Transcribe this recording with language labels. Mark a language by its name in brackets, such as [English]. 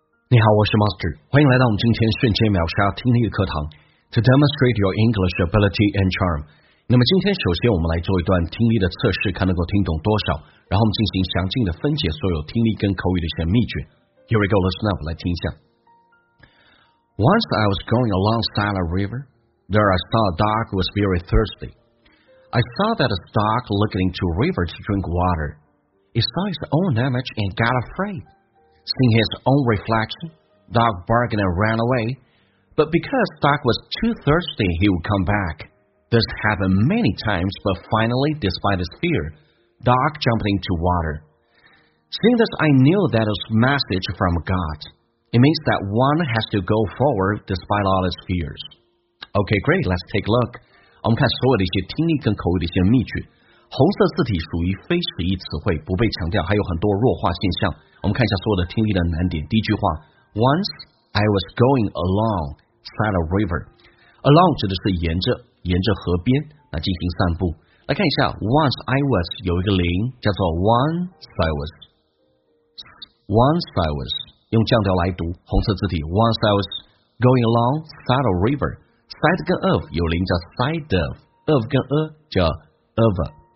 [Chinese] 你好，我是 Master， 欢迎来到我们今天瞬间秒杀听力课堂 ， [English] To demonstrate your English ability and charm。 [Chinese] 那么今天首先我们来做一段听力的测试，看能够听懂多少，然后我们进行详尽的分解所有听力跟口语的一些秘诀。 [English] Here we go, listen up， [Chinese] 来听一下。 [English] Once I was going along side a river, there I saw a dog who was very thirsty. I saw that a dog looked into a river to drink water. He saw his own image and got afraid. Seeing his own reflection, dog barked and ran away. But because dog was too thirsty, he would come back. This happened many times, but finally, despite his fear, dog jumped into water. Seeing this, I knew that it was a message from God. It means that one has to go forward despite all his fears. Okay, great, let's take a look. [Chinese] 我们看所有的一些听力跟口语的一些秘诀。红色字体属于非使役词汇，不被强调，还有很多弱化现象。我们看一下所有的听力的难点。第一句话 [English] ，Once I was going along side a river， [Chinese] along 指的是沿着河边来进行散步。来看一下 ， [English] Once I was 有一个零，叫做 Once I was 用降调来读，红色字体 ，Once I was going along side a river， [Chinese] side 跟 of 有零叫 side of， of 跟 a 叫 of。